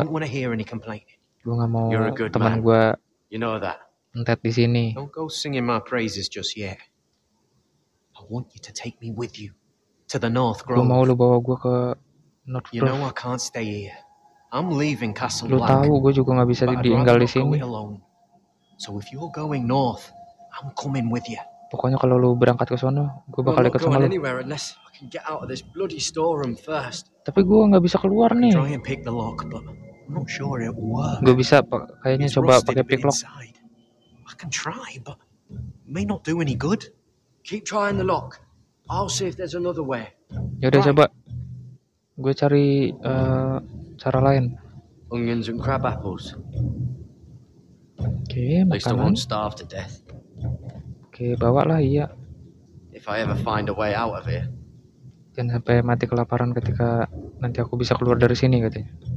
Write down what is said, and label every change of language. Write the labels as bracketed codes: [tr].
[en] I don't want to hear any complaining. [id] Gua enggak mau teman gua. [en] You know that. [id] Entet di sini. [en] Don't go singing my praises just yet. I want you to take me with you to the North Grove. [id] Gua mau lu bawa gua ke North Grove. [en] You know I can't stay here. I'm leaving Castle Black. [id] Lu tahu gua juga enggak bisa tinggal di sini. [en] So if you're going north, I'm coming with you. [id] Pokoknya kalau lu berangkat ke sana, gua bakal ikut sama lu. [en] I can get out of this bloody storeroom first. [id] Tapi gua enggak bisa keluar nih. [en] Try and pick the lock, but I'm not sure it'll work. [id] Gua bisa kayaknya coba pakai pick lock. [en] I can try, but may not do any good. Keep trying the lock. I'll see if there's another way. [id] Yaudah, right. Coba. Gue cari cara lain. [en] Onions and crab apples. [id] Oke, okay, makanan. [en] At least I won't starve to death. [id] Oke, okay, bawa lah, iya. [en] If I ever find a way out of here. [id] Jangan sampai mati kelaparan ketika nanti aku bisa keluar dari sini, katanya.